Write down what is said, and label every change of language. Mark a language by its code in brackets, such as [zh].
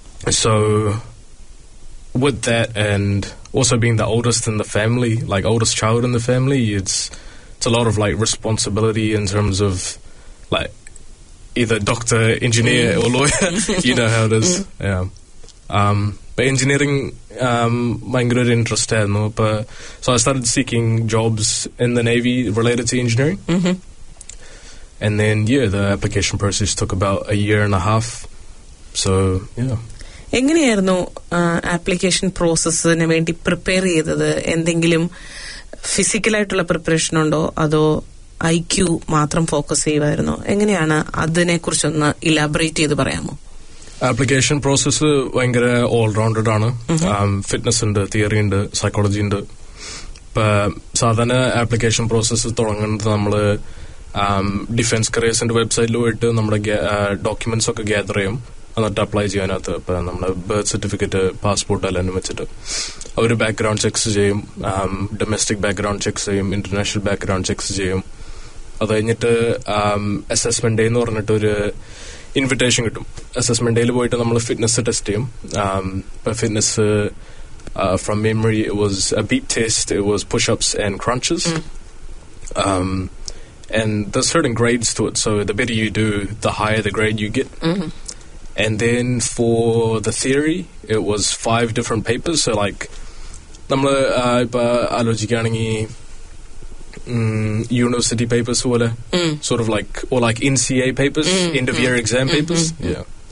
[en] So with that and also being the oldest in the family, like oldest child in the family, it's a lot of like responsibility in terms of like either doctor, engineer or lawyer. You know how it is. But engineering my great interest had, no, but so I started seeking jobs in the Navy related to engineering. And then the application process took about a year and a half. So [ml] എങ്ങനെയായിരുന്നു application പ്രോസസ്സിന് വേണ്ടി prepare ചെയ്തത്? എന്തെങ്കിലും ഫിസിക്കലായിട്ടുള്ള preparation ഉണ്ടോ, അതോ I Q മാത്രം focus ചെയ്യുമായിരുന്നു? എങ്ങനെയാണ്, അതിനെ കുറിച്ചൊന്ന് ഇലാബറേറ്റ് ചെയ്ത് പറയാമോ? ആപ്ലിക്കേഷൻ പ്രോസസ്സ് ഭയങ്കര ഓൾറൗണ്ടഡ് ആണ്. ഫിറ്റ്നസ് ഉണ്ട്, തിയറി ഉണ്ട്, സൈക്കോളജി ഉണ്ട്. ഇപ്പൊ സാധാരണ ആപ്ലിക്കേഷൻ പ്രോസസ്സ് തുടങ്ങുന്നത് നമ്മള് ഡിഫൻസ് കരിയേഴ്സിന്റെ വെബ്സൈറ്റിൽ പോയിട്ട് നമ്മുടെ ഡോക്യുമെന്റ്സ് ഒക്കെ ഗ്യാദർ ചെയ്യും. എന്നിട്ട് അപ്ലൈ ചെയ്യാനകത്ത് ഇപ്പൊ നമ്മുടെ ബർത്ത് സർട്ടിഫിക്കറ്റ്, പാസ്പോർട്ട് എല്ലാം വെച്ചിട്ട് അവർ ബാക്ക്ഗ്രൗണ്ട് ചെക്ക് ചെയ്യും. ഡൊമസ്റ്റിക് ബാക്ക്ഗ്രൗണ്ട് ചെക്ക് ചെയ്യും, ഇന്റർനാഷണൽ ബാക്ക്ഗ്രൗണ്ട് ചെക്ക് ചെയ്യും. അത് കഴിഞ്ഞിട്ട് അസസ്മെന്റ് ഡേ എന്ന് പറഞ്ഞിട്ട് ഒരു ഇൻവിറ്റേഷൻ കിട്ടും. അസസ്മെന്റ് ഡേയിൽ പോയിട്ട് നമ്മൾ ഫിറ്റ്നസ് ടെസ്റ്റ് ചെയ്യും. ഇപ്പൊ [en] Fitness from memory was a beep test, it was pushups and crunches. And there's certain grades to it, so the better you do, the higher the grade you get. Mm-hmm. And then for the theory, it was 5 different papers. So, like, [ml] nammal ipa alochikkanengi [en] university papers pole, sort of like, or like NCA papers, end of year exam papers. Yeah.